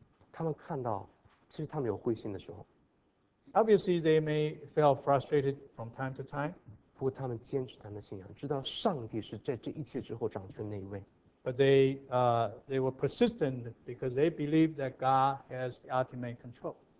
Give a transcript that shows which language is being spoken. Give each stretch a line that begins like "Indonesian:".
Chinese: 他们看到，其实他们有灰心的时候。
English: Obviously, they may feel frustrated from time to time.
Chinese: 不过他们坚持他们的信仰，知道上帝是在这一切之后掌权那一位。
English: But they were persistent because they believed that God has the ultimate control.